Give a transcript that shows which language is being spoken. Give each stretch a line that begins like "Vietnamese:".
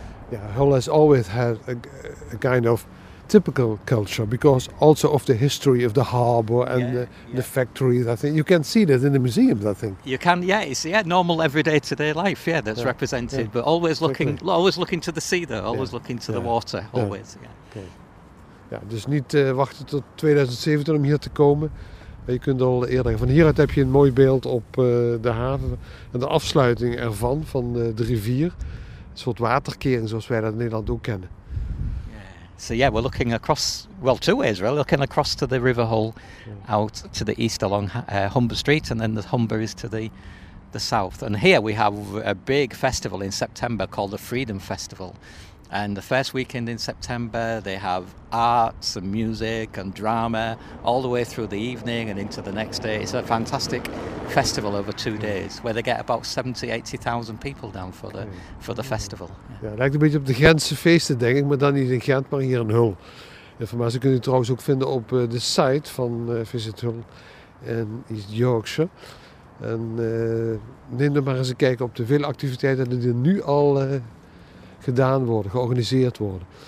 English: Yeah, Hull has always had a kind of typical culture, because also of the history of the harbour and the factories. I think you can see that in the museums, I think. You can, yeah. It's normal everyday to day life, that's represented. Yeah. But always looking to the sea, though. Always looking to the water, always.
Dutch: Ja, dus niet wachten tot 2017 om hier te komen. Je kunt al eerder. Van hieruit heb je een mooi beeld op de haven en de afsluiting ervan van de rivier. Een soort waterkering zoals wij dat in Nederland ook kennen.
English: So yeah, we're looking across, well, two ways really, looking across to the River Hull out to the east along Humber Street, and then the Humber is to the south. And here we have a big festival in September called the Freedom Festival. And the first weekend in September, they have arts and music and drama all the way through the evening and into the next day. It's a fantastic festival over 2 days, where they get about 70,000-80,000 people down for the festival.
Dutch: Ja, het lijkt een beetje op de Gentse feesten, denk ik, maar dan niet in Gent, maar hier in Hull. Informatie kunt u trouwens ook vinden op de site van Visit Hull in East Yorkshire. En neem dan maar eens een kijk op de vele activiteiten die er nu al gedaan worden, georganiseerd worden.